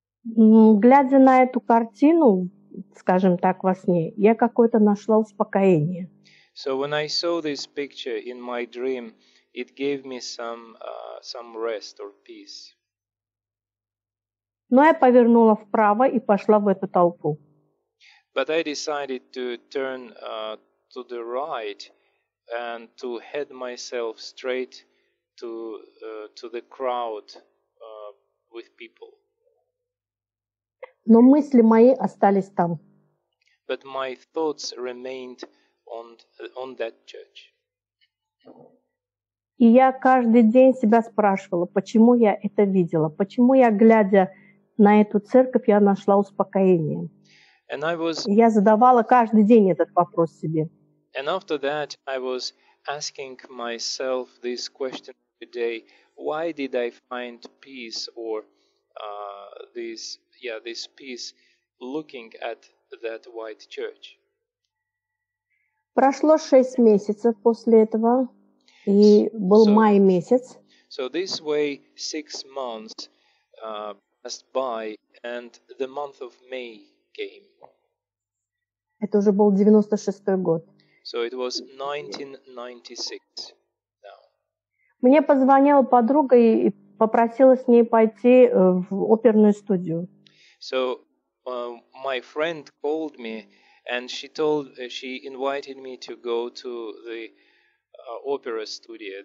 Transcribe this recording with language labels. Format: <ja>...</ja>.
<ru>Глядя на эту картину, скажем так, во сне, я какое-то нашла успокоение.</ru> <en>So when I saw this picture in my dream, it gave me some rest or peace.</en> <ru>Но я повернула вправо и пошла в эту толпу.</ru> <en>But I decided to turn to the right and to head myself straight to the crowd with people.</en> <ru>Но мысли мои остались там.</ru> <en>But my thoughts remained on that church.</en> <ru>И я каждый день себя спрашивала, почему я это видела, почему я, глядя на эту церковь, я нашла успокоение.</ru> <en>And I was,</en> <ru>я задавала каждый день этот вопрос себе.</ru> <en>And after that, I was asking myself this question today: why did I find peace or this peace looking at that white church?</en> <ru>Прошло 6 месяцев после этого, и был май месяц.</ru> <en>So this way 6 months passed by, and the month of May came.</en> <ru>Это уже был 96-й год.</ru> <en>So it was 1996 now.</en> <ru>Мне позвонила подруга и попросила с ней пойти в оперную студию.</ru> <en>So my friend called me, and she invited me to go to the opera studio.</en>